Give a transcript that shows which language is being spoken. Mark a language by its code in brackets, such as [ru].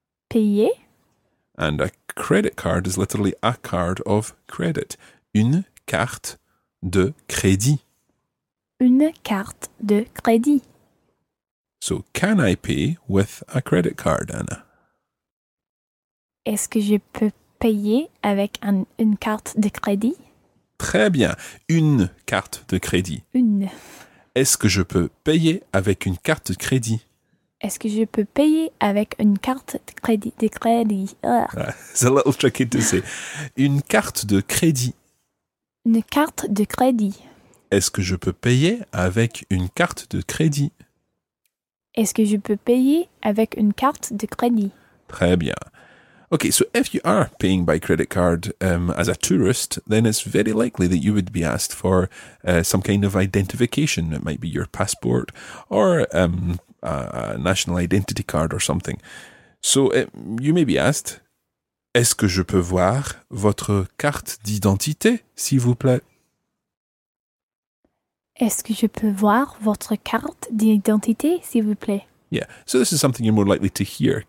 [fr] Payer. [en] And a credit card is literally a card of credit. [fr] Une carte de crédit. Une carte de crédit. [en] So, can I pay with a credit card, Anna? [fr] Est-ce que je peux payer avec une carte de crédit? Très bien. Une carte de crédit. Une. Est-ce que je peux payer avec une carte de crédit? Est-ce que je peux payer avec une carte de crédit? [en] It's a little tricky to say. [fr] Une carte de crédit. Une carte de crédit. Est-ce que je peux payer avec une carte de crédit? Est-ce que je peux payer avec une carte de crédit? Très bien. [en] Okay, so if you are paying by credit card as a tourist, then it's very likely that you would be asked for some kind of identification. It might be your passport or a national identity card or something. So you may be asked, [fr] est-ce que je peux voir votre carte d'identité, s'il vous plaît? Est-ce que je peux voir votre carte d'identité, s'il vous plaît? [en] Yeah, so this is something you're more likely to hear.